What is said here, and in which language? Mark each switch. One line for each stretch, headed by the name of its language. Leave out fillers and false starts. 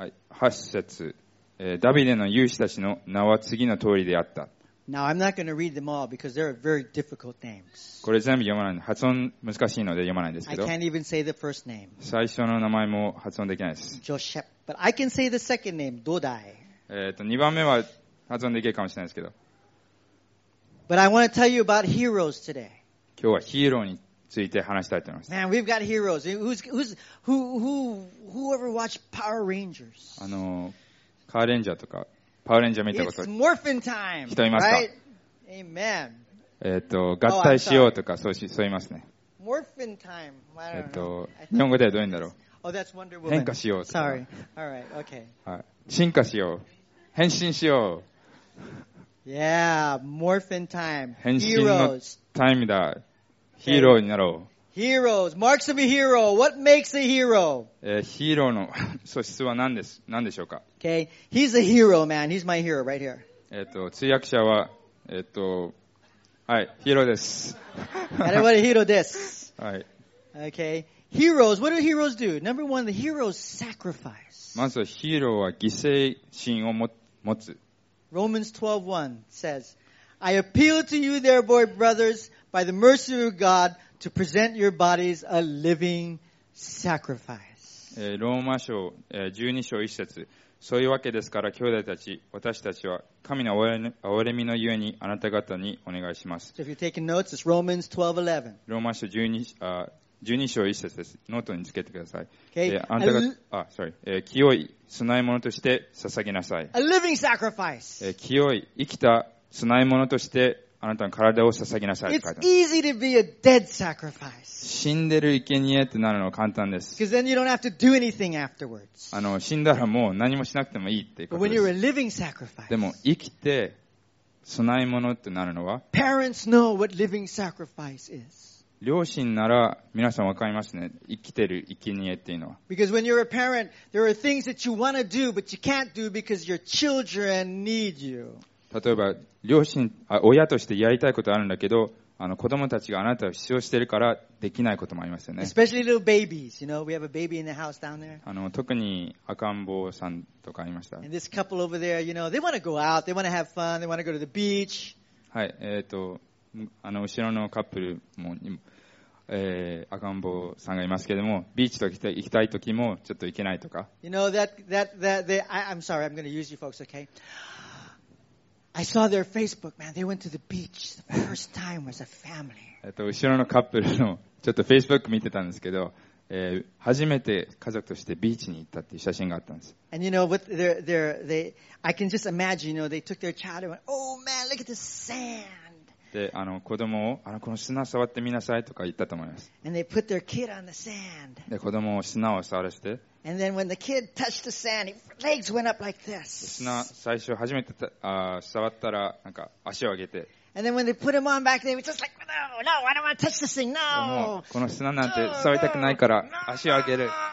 Japanese: はい、8節、ダビデの勇士たちの名は次の通りであった。
English: Now, I'm not going to read them all because they're very difficult names.
Japanese: これ全部読まない。発音難しいので読まないんですけど。
English: I can't even say the first name.
Japanese: 最初の名前も発音できないです。
English: Joshep. But I can say the second name, Dodai.
Japanese: 2番目は発音できるかもしれないですけど。
English: But I want to tell you about heroes today.
Japanese: 今日はヒーローについて話したいと思います。
English: Man, we've got heroes. Whoever watched Power Rangers?
Japanese: カーレンジャーとか。パワーレンジャー見たこと。
English: It's morphin time.
Japanese: 人いますか、
English: right? Amen.
Japanese: 合体しようとか、そう言いますね。
English: Morphin time.
Japanese: 日本語ではどういうんだろう。
English: Oh, that's Wonder Woman.
Japanese: 変化しようとか。
English: Sorry. All right. Okay.
Japanese: 進化しよう。変身しよう。
English: Yeah, morphin time.
Japanese: 変身のタイムだ。ヒーローになろう。
English: Heroes. Marks of a hero. What makes a hero?
Japanese: ヒーローの素質は何でしょうか。
English: Okay, he's a hero, man. He's my hero right here.
Japanese: 通訳者は、はい、ヒーローです。
English: What a hero this.
Japanese: はい。
English: Okay, heroes. What do heroes do? Number one, the heroes sacrifice.
Japanese: まずヒーローは犠牲心を持つ。
English: Romans 12:1 says, "I appeal to you, therefore, brothers, by the mercy of God, to present your bodies a living sacrifice."
Japanese: ローマ書、12章1節。そういうわけですから兄弟たち私たちは神の憐れみのゆえにあなた方にお願いします、
English: so、if you're taking notes, it's Romans 12:11.
Japanese: ローマ書 12章1節です。ノートにつけてください、
English: okay.
Japanese: あなた方あ、
English: sorry、
Japanese: 清い供え物として捧げなさい。
English: A living sacrifice.
Japanese: 清い生きた供え物としてあなたの体を捧げなさい。
English: It's easy to be a dead sacrifice.
Japanese: 死んでる生贄ってなるのは簡単です。
English: Because then you don't have to do anything afterwards.
Japanese: 死んだらもう何もしなくてもいいっていうことです。
English: But when you're a living sacrifice.
Japanese: でも生きて供え物ってなるのは
English: Parents know what living sacrifice is.
Japanese: 両親なら皆さんわかりますね。生きてる生贄っていうのは。
English: Because when you're a parent, there are things that you want to do, but you can't do because your children need you.
Japanese: 例えば両親親としてやりたいことあるんだけど子供たちがあなたを必要しているからできないこともありますよね。
English: Especially little babies, you know, we have a baby in the house down there.
Japanese: 特に赤ん坊さんとかいました。
English: And this couple over there, you know, they want to go out, they want to have fun, they want to go to the beach.
Japanese: はい、後ろのカップルも、赤ん坊さんがいますけれども、ビーチと行きたい時もちょっと行けないとか。
English: You know I'm sorry, I'm going to use you folks, okay? I saw their Facebook, man. They went to the beach the first time as a family.
Japanese: 後ろのカップルのちょっと Facebook 見てたんですけど、初めて家族としてビーチに行ったっていう写真があったんです。
English: And you know, with they, I can just imagine, you know, they took their child and went, "Oh man, look at the sand."
Japanese: で、子供をこの砂触ってみなさいとか言ったと思います。
English: And they put their kid on the sand.
Japanese: で、子供を砂を触らせて。
English: And then when the kid touched the sand, his legs went up like this.
Japanese: 砂最初初めて触ったらなんか足を上げて。
English: And then when they put him on back, they were just like, no, no, I don't want to touch this thing, no.
Japanese: この砂なんて触りたくないから足を上げる。